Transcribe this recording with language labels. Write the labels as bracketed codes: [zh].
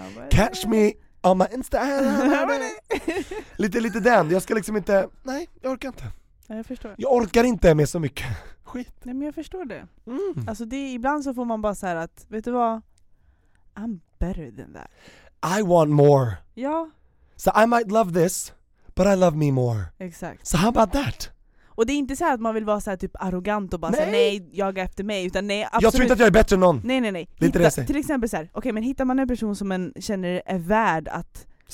[en] Catch me on my Instagram. [sv] lite den. Jag ska liksom inte. Nej, jag orkar inte. Ja, jag förstår. Jag orkar inte med så mycket skit. Nej, men jag förstår det. Alltså det ibland så får man bara så här att vet du vad? [en] I'm better than that. I want more. [sv] Ja. [en] So I might love this, but I love me more. [sv] Exakt. [en] So how about that? [sv] Och det är inte så att man vill vara så här typ arrogant och bara nej. Så här, nej, jag är efter mig, utan nej, absolut. Jag tror inte att jag är bättre än någon. Nej. Till exempel så här, okej, men hittar man en person som man känner är värd att